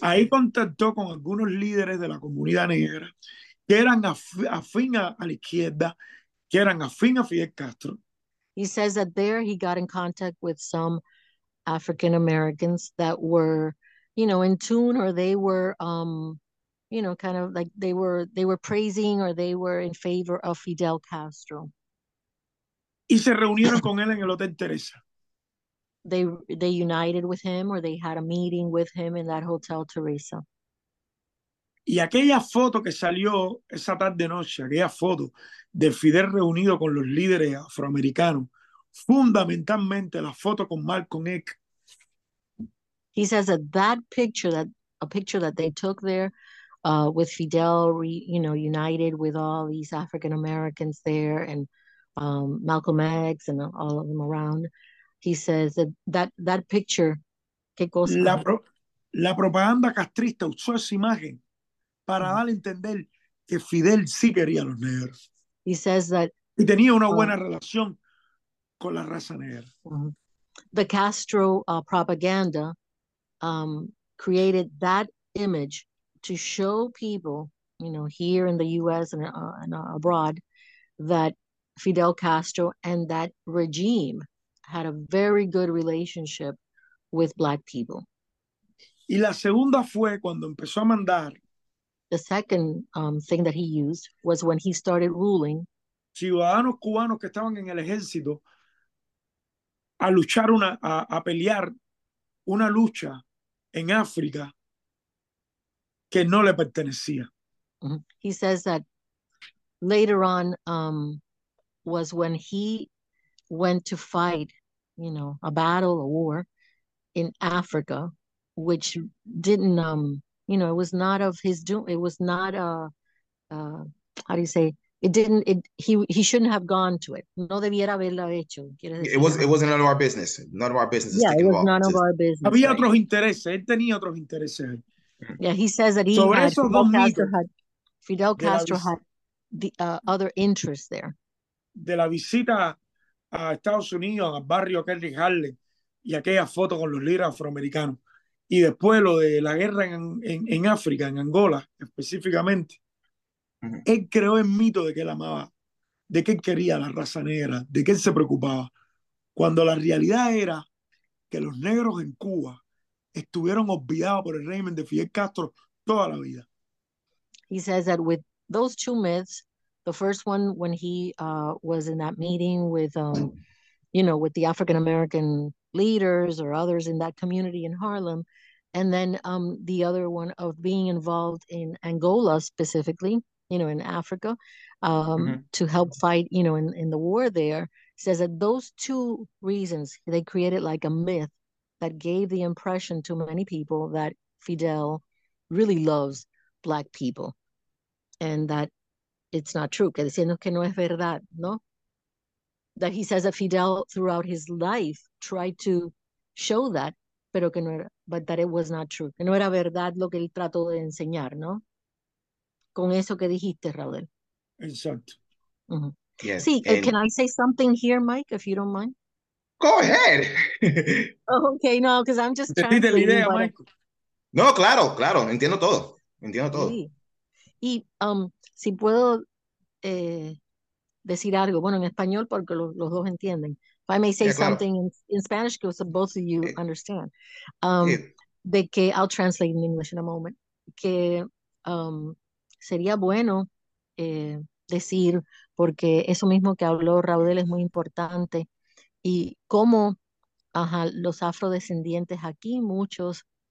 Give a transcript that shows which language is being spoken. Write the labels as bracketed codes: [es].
[es] Ahí contactó con algunos líderes de la comunidad negra que eran afín a la izquierda, que eran afín a Fidel Castro. [en] He says that there he got in contact with some African Americans that were, you know, in tune, or they were, you know, kind of like they were praising, or they were in favor of Fidel Castro. [es] Y se reunieron con él en el Hotel Teresa. [en] They united with him, or they had a meeting with him in that Hotel Teresa. [es] Y aquella foto que salió esa tarde noche, aquella foto de Fidel reunido con los líderes afroamericanos. Fundamentalmente la foto con Malcolm X. [en] He says that a picture that they took there with Fidel, you know, united with all these African Americans there and Malcolm X and all of them around. He says that picture, [es] qué cosa. La propaganda castrista usó esa imagen para dar a entender que Fidel sí quería a los negros. [en] He says that [es] y tenía una buena relación con la raza negra. [en] The Castro propaganda created that image to show people you know, here in the U.S. And abroad, that Fidel Castro and that regime had a very good relationship with Black people. [es] Y la segunda fue cuando empezó a mandar. [en] The second thing that he used was when he started ruling. [es] Ciudadanos cubanos que estaban en el ejército a luchar una, a pelear una lucha en África que no le pertenecía. [en] He says that later on was when he went to fight, you know, a battle, a war in Africa, which didn't, you know, it was not of his doing. It was not, how do you say, it didn't, it, he shouldn't have gone to it. [es] No debiera haberlo hecho. [en] It wasn't none of our business. None of our business. Yeah, it was none of our business. [es] Había otros intereses. Él tenía otros intereses. [en] Yeah, he says that he had, Fidel Castro had the other interests there. [es] De la visita a Estados Unidos, al barrio Kennedy Harlem, y aquella foto con los líderes afroamericanos, y después lo de la guerra en África, en Angola, específicamente, él creó el mito de que él amaba, de que él quería la raza negra, de que él se preocupaba, cuando la realidad era que los negros en Cuba estuvieron olvidados por el régimen de Fidel Castro toda la vida. [en] He says that with those two myths, the first one when he was in that meeting with, you know, with the African American leaders or others in that community in Harlem, and then the other one of being involved in Angola specifically, you know, in Africa, to help fight, you know, in the war there, says that those two reasons, they created like a myth that gave the impression to many people that Fidel really loves Black people. And that it's not true. [es] Que diciendo que no es verdad, ¿no? [en] That he says that Fidel throughout his life tried to show that, [es] pero que no era, [en] but that it was not true. [es] Que no era verdad lo que él trató de enseñar, ¿no? Con eso que dijiste, Raudel. Exacto. Mm-hmm. [en] Yeah, sí, and can I say something here, Mike, if you don't mind? Go ahead. Okay, no, because I'm just trying to... [es] No, claro, claro, entiendo todo. Entiendo todo. Sí. Y si puedo decir algo, bueno, en español, porque los dos entienden. [en] If I may say something in Spanish, because both of you understand. [es] De que, [en] I'll translate in English in a moment. [es] Que sería bueno decir, porque eso mismo que habló Raudel es muy importante, y cómo ajá, los afrodescendientes aquí, muchos